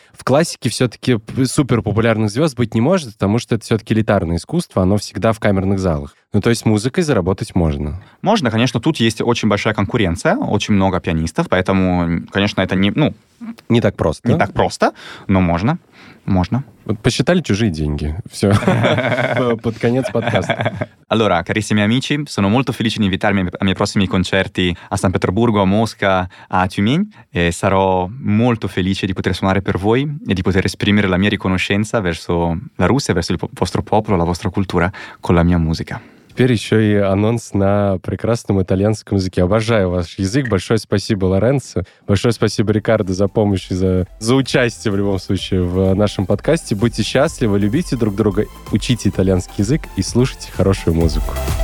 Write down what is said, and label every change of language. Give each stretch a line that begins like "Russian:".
Russian: В классике все-таки супер популярных звезд быть не может, потому что это все-таки элитарное искусство, оно всегда в камерных залах. Ну, то есть музыкой заработать можно. Можно, конечно, тут есть очень большая конкуренция, очень много пианистов, поэтому, конечно, это не, ну, не так просто. Не так просто, но можно. Можно. Вот посчитали чужие деньги. Все. Под конец подкаста.
Italian: Allora, carissimi amici, sono molto felice di invitarmi ai miei prossimi concerti a San Pietroburgo, a Mosca, a Tiumень. Sarò molto felice di poter suonare per voi e di poter esprimere la mia riconoscenza verso la Russia, verso il vostro popolo, la vostra cultura con la mia musica.
Russian: Теперь еще и анонс на прекрасном итальянском языке. Обожаю ваш язык. Большое спасибо, Лоренцо. Большое спасибо, Рикардо, за помощь и за участие, в любом случае, в нашем подкасте. Будьте счастливы, любите друг друга, учите итальянский язык и слушайте хорошую музыку.